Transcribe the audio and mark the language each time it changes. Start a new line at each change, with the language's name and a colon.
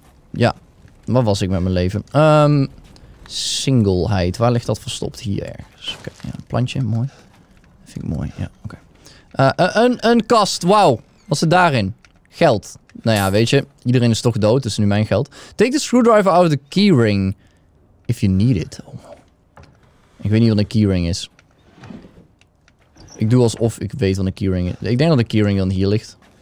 Dutch: Ja, wat was ik met mijn leven? Singleheid, waar ligt dat verstopt? Hier ergens. Oké, okay, ja, plantje, mooi. Vind ik mooi, ja, oké. Okay. Een kast, wauw. Wat zit daarin? Geld. Nou ja, weet je, iedereen is toch dood, dus nu mijn geld.
English: Take the screwdriver out of the keyring. If you need it. Oh.
Dutch: Ik weet niet wat een keyring is. Ik doe alsof ik weet wat een keyring is. Ik denk dat een keyring dan hier ligt.